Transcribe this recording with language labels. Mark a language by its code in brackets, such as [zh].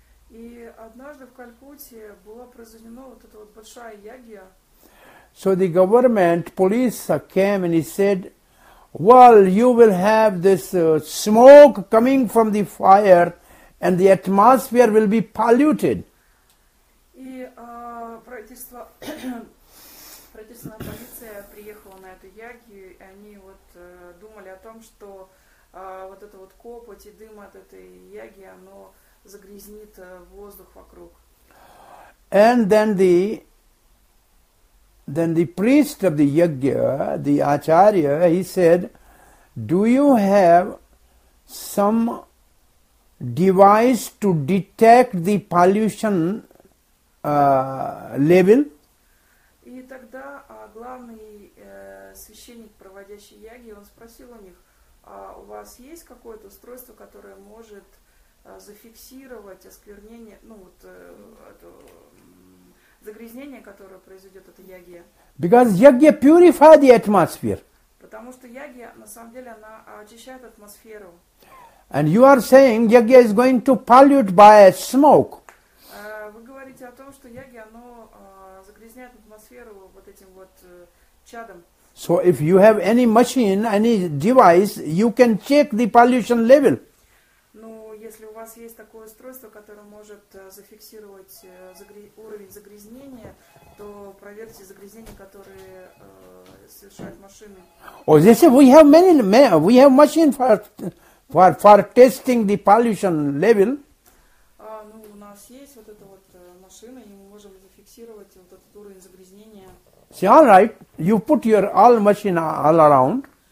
[ru] И однажды в Калькутте была произведена вот эта вот большая ягья. [en] So the government police came and he said, well, you will have this smoke coming from the fire and the atmosphere will be polluted. [ru] Правительственная полиция приехала на эту ягью, и они вот думали о том, что вот эта вот копоть и дым от этой яги, оно загрязнит воздух вокруг. [en] And then the priest of the yagya, the acharya, he said, do you have some device to detect the pollution level? [ru] И тогда главный священник, проводящий яги, он спросил у них, у вас есть какое-то устройство, которое может зафиксировать осквернение, ну вот это загрязнение, которое произойдет от яги? [en] Because yagya purify the atmosphere. [ru] Потому что яги, на самом деле, она очищает атмосферу. [en] And you are saying yagya is going to pollute by smoke. [ru] Вы говорите о том, что яги, оно загрязняет атмосферу вот этим вот чадом. [en] So if you have any machine, any device, you can check the pollution level. [ru] Ну, если у вас есть такое устройство, которое может зафиксировать уровень загрязнения, то проверьте загрязнение, которое совершает машины. [en] Oh, they say we have machine for testing the pollution level. [ru] Ну, у нас есть вот эта вот машина, и мы можем зафиксировать вот этот уровень загрязнения. [en] See, all right, you put your all machine all around.